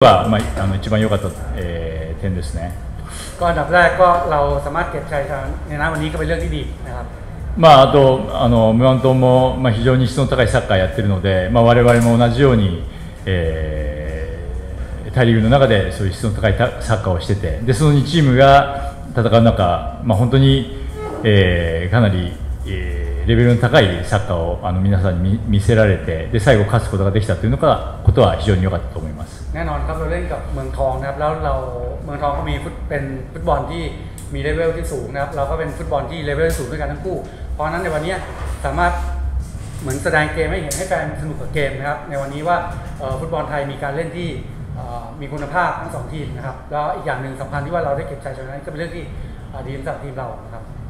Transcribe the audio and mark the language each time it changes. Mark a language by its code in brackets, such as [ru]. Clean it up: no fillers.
[ja] は、まあ、あの一番良かった、点ですね。 [th] ก็ดับแรกก็เราสามารถเก็บชัยชนะในนัดวันนี้ก็เป็นเรื่องที่ดีนะครับ [ja] まああとあのムアントンも、まあ、非常に質の高いサッカーやってるので、まあ、我々も同じように、タイリーグの中でそういう質の高いサッカーをしててでその2チームが戦う中、まあ、本当に、かなり、レベルの高いサッカーをあの皆さんに 見せられてで最後勝つことができたというのかことは非常に良かったと思います。 [th] แน่นอนครับเราเล่นกับเมืองทองนะครับแล้วเราเมืองทองก็มีเป็นฟุตบอลที่มีเลเวลที่สูงนะครับเราก็เป็นฟุตบอลที่เลเวลสูงด้วยกันทั้งคู่เพราะนั้นในวันนี้สามารถเหมือนแสดงเกมให้เห็นให้แฟนสนุกกับเกมนะครับในวันนี้ว่าฟุตบอลไทยมีการเล่นที่มีคุณภาพทั้งสองทีมนะครับแล้วอีกอย่างหนึ่งสำคัญที่ว่าเราได้เก็บชัยชนะก็เป็นเรื่องที่ดีสำหรับทีมเรานะครับ